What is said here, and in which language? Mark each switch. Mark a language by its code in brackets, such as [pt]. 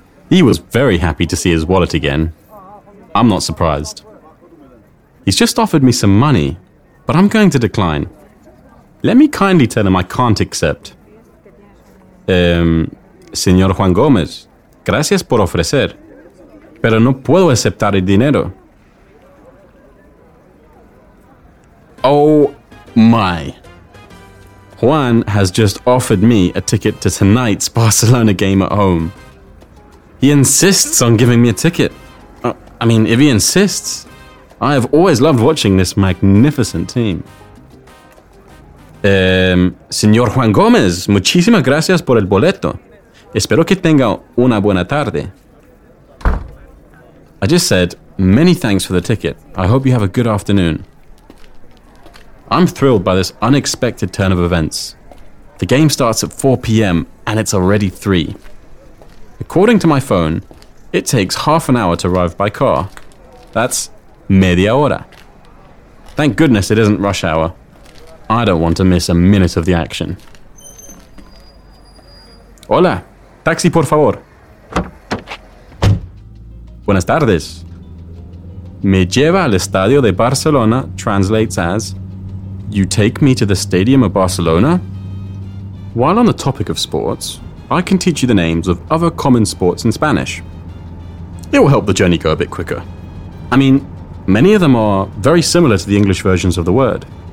[en] He was very happy to see his wallet again. I'm not surprised. He's just offered me some money, but I'm going to decline. Let me kindly tell him I can't accept. [es] Señor Juan Gómez, gracias por ofrecer, pero no puedo aceptar el dinero. [en] Oh my. Juan has just offered me a ticket to tonight's Barcelona game at home. He insists on giving me a ticket. If he insists. I have always loved watching this magnificent team. [es] Señor Juan Gómez, muchísimas gracias por el boleto. Espero que tenga una buena tarde. [en] I just said, many thanks for the ticket. I hope you have a good afternoon. I'm thrilled by this unexpected turn of events. The game starts at 4 p.m. and it's already 3. According to my phone, it takes half an hour to arrive by car. That's [es] media hora. [en] Thank goodness it isn't rush hour. I don't want to miss a minute of the action. [es] Hola, taxi por favor. Buenas tardes. Me lleva al estadio de Barcelona [en] translates as, you take me to the stadium of Barcelona? While on the topic of sports, I can teach you the names of other common sports in Spanish. It will help the journey go a bit quicker. Many of them are very similar to the English versions of the word.